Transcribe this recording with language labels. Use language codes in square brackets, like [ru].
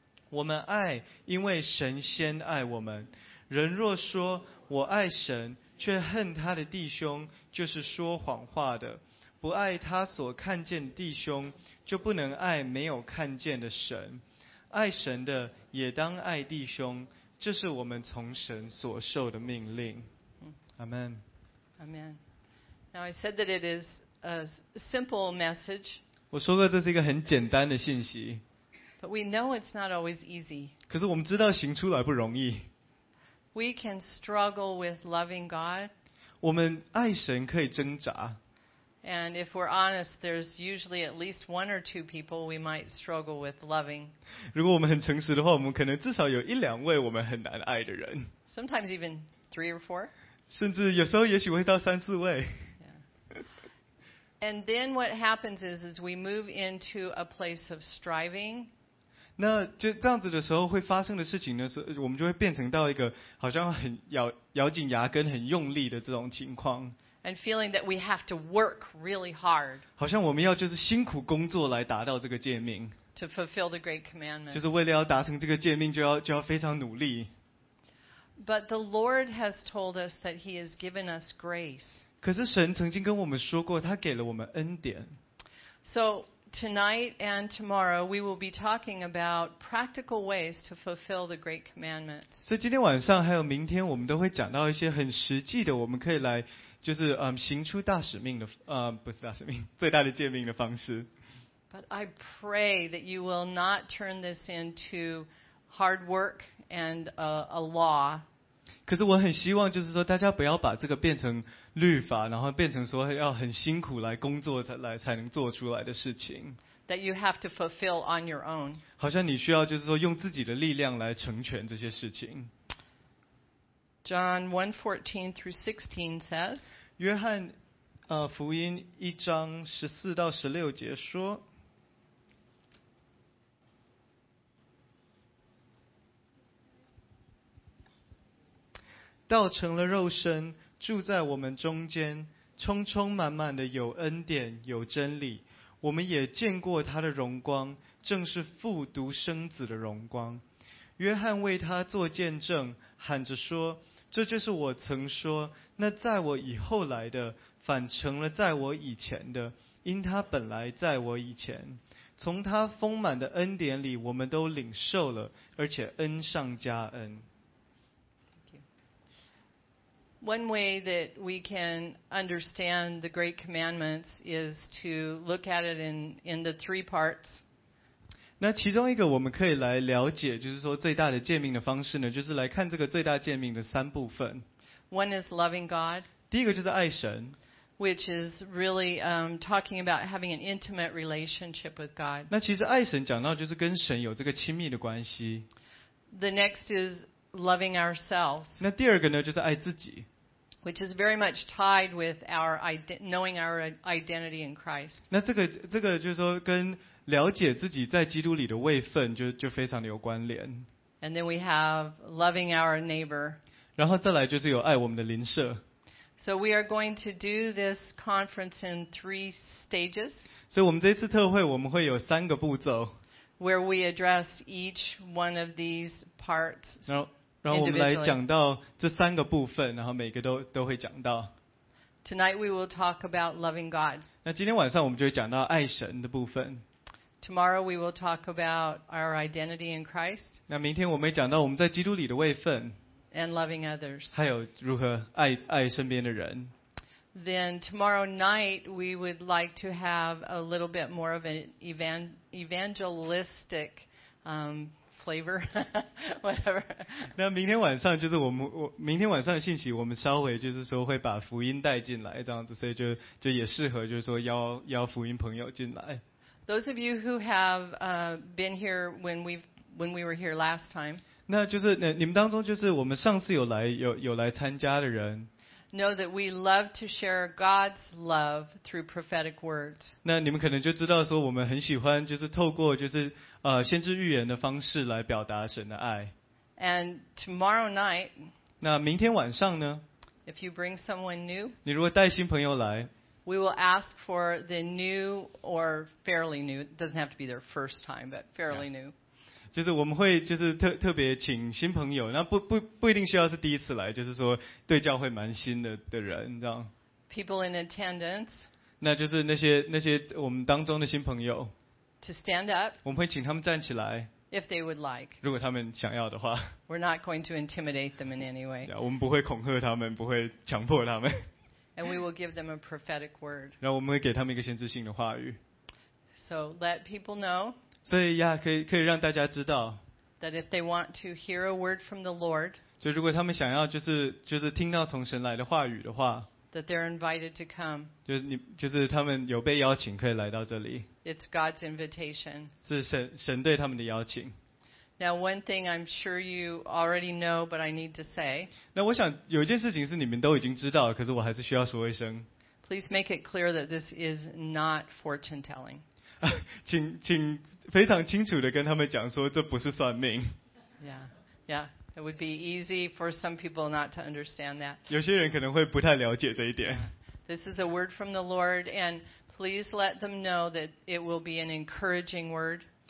[zh] 我们爱，因为神先爱我们。人若说我爱神，却恨他的弟兄，就是说谎话的。不爱他所看见的弟兄，就不能爱没有看见的神。爱神的也当爱弟兄，这是我们从神所受的命令。 [en] Amen. Amen.Now I said that it is a simple message. [zh] 我说过这是一个很简单的信息。 [en] But we know it's not always easy. [zh] 可是我们知道行出来不容易。 [en] We can struggle with loving God. [zh] 我们爱神可以挣扎。 [en] And if we're honest, there's usually at least one or two people we might struggle with loving. [zh] 如果我们很诚实的话，我们可能至少有一两位我们很难爱的人。 [en] Sometimes even three or four. [zh] 甚至有时候也许会到三四位。 [en] And then what happens is we move into a place of striving. [zh] 那就这样子的时候会发生的事情呢，是我们就会变成到一个好像很咬紧牙根、很用力的这种情况。 [en] And feeling that we have to work really hard. [zh] 好像我们要就是辛苦工作来达到这个诫命。 [en] To fulfill the great commandment. [zh] 就是为了要达成这个诫命，就要非常努力。 [en] But the Lord has told us that He has given us grace. [zh] 可是神曾经跟我们说过，他给了我们恩典。 [en] So tonight and tomorrow we will be talking about practical ways to fulfill the great commandment. [zh] 所以今天晚上还有明天，我们都会讲到一些很实际的，我们可以来。就是行出大使命的不是大使命，最大的诫命的方式。 [en] But I pray that you will not turn this into hard work and a law. [zh] 可是我很希望，就是说大家不要把这个变成律法，然后变成说要很辛苦来工作才能做出来的事情。 [en] That you have to fulfill on your own. [zh] 好像你需要就是说用自己的力量来成全这些事情。 [en] John 1:14 through 16 says. [zh] 约翰，福音一章十四到十六节说。道成了肉身，住在我们中间，充充满满的有恩典，有真理。我们也见过他的荣光，正是父独生子的荣光。约翰为他做见证，喊着说。这就是我曾说，那在我以后来的，反成了在我以前的，因他本来在我以前。从他丰满的恩典里，我们都领受了，而且恩上加恩。 [en] One way that we can understand the great commandments is to look at it in the three parts. [zh] 那其中一个我们可以来了解，就是说最大的诫命的方式呢，就是来看这个最大诫命的三部分。 [en] One is loving God. [zh] 第一个就是爱神。 [en] Which is really talking about having an intimate relationship with God. [zh] 那其实爱神讲到就是跟神有这个亲密的关系。 [en] The next is loving ourselves. [zh] 那第二个呢，就是爱自己。 [en] Which is very much tied with our knowing our identity in Christ. [zh] 那这个就是说跟了解自己在基督里的位分就非常的有关联。 [en] And then we have loving our neighbor. [zh] 然后再来就是有爱我们的邻舍。 [en] So we are going to do this conference in three stages. [zh] 所以我们这次特会我们会有三个步骤。 [en] Where we address each one of these parts. [zh] 然后我们来讲到这三个部分，然后每个都会讲到。 [en] Tonight we will talk about loving God. [zh] 那今天晚上我们就会讲到爱神的部分。 [en] Tomorrow we will talk about our identity in Christ. [zh] 那明天我们也讲到我们在基督里的位分。 [en] And loving others. [zh] 还有如何爱身边的人。 [en] Then tomorrow night we would like to have a little bit more of an evangelistic flavor, whatever. [zh] 那明天晚上就是我明天晚上的信息，我们稍微就是说会把福音带进来这样子，所以就也适合就是说邀福音朋友进来。 [en] Those of you who have been here when we were here last time, [zh] 那就是你们当中就是我们上次有来参加的人 [en] ，know that we love to share God's love through prophetic words. [zh] 那你们可能就知道说我们很喜欢就是透过就是先知预言的方式来表达神的爱。 [en] And tomorrow night, [zh] 那明天晚上呢 [en] ？If you bring someone new, [zh] 你如果带新朋友来。 [en] We will ask for the new or fairly new. It doesn't have to be their first time, but fairly yeah. new. [zh] 就是我们会就是特别请新朋友，那不一定需要是第一次来，就是说对教会蛮新的人，这样。 [en] People in attendance. [zh] 那就是那些我们当中的新朋友。 [en] To stand up. [zh] 我们会请他们站起来。 [en] If they would like. [zh] 如果他们想要的话。 [en] We're not going to intimidate them in any way. [zh] 我们不会恐吓他们，不会强迫他们。 [en] And we will give them a prophetic word. [zh] 然后我们会给他们一个先知性的话语。 [en] So let people know. [zh] 所以呀，可以让大家知道。 [en] That if they want to hear a word from the Lord. [zh] 就如果他们想要就是听到从神来的话语的话。 [en] That they're invited to come. [zh] 就是他们有被邀请可以来到这里。 [en] It's God's invitation. [zh] 是神对他们的邀请。 [en] Now one thing I'm sure you already know, but I need to say. [zh] 那我想有一件事情是你们都已经知道，可是我还是需要说一声。 [en] Please make it clear that this is not fortune telling. [zh] 请非常清楚地跟他们讲说，这不是算命。 [en] Yeah, it would be easy for some people not to understand that. [zh] 有些人可能会不太了解这一点。 [en] This is a word from the Lord, and please let them know that it will be an encouraging word.